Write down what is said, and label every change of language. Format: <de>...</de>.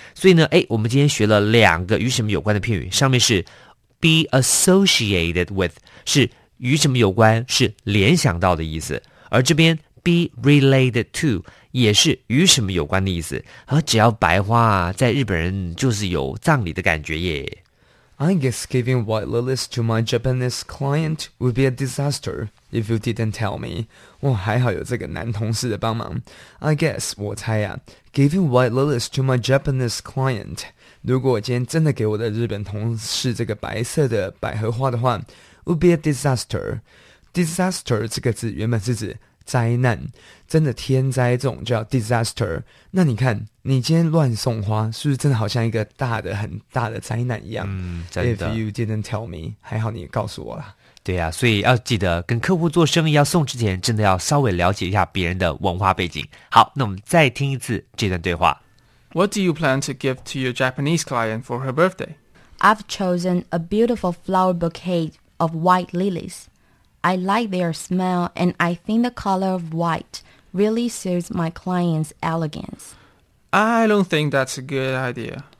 <zh>所以呢，哎，我们今天学了两个与什么有关的片语，上面是 be associated with, 是与什么有关，是联想到的意思。而这边 be related to,也是与什么有关的意思，而只要白花在日本人就是有葬礼的感觉耶。</zh> <en>I guess giving white lilies to my Japanese client would be a disaster if you didn't tell me.</en> <zh>哇，还好有这个男同事的帮忙。 I guess, 我猜啊， giving white lilies to my Japanese client, 如果我今天真的给我的日本同事这个白色的百合花的话， would be a disaster. Disaster 这个字原本是指灾难，真的天灾这种叫 disaster。那你看你今天乱送花，是不是真的好像一个大的很大的灾难一样？嗯，真的。 If you didn't tell me, 还好你告诉我啦。对啊，所以要记得跟客户做生意要送之前真的要稍微了解一下别人的文化背景。好，那我们再听一次这段对话。</zh> <en>What do you plan to give to your Japanese client for her birthday? I've chosen a beautiful flower bouquet of white liliesI like their smell, and I think the color of white really suits my client's elegance. I don't think that's a good idea.</en>